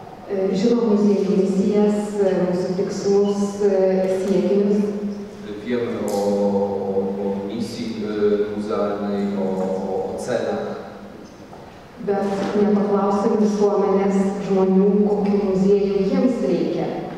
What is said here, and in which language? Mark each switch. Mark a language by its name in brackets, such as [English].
[Lithuanian] Žinom muziejų misijas, mūsų tikslus, siekinius. [Polish] Wiemy o misji muzealnej, o celach. [Lithuanian] Bet nepaklausim visuomenės žmonių, kokių muziejų jiems reikia.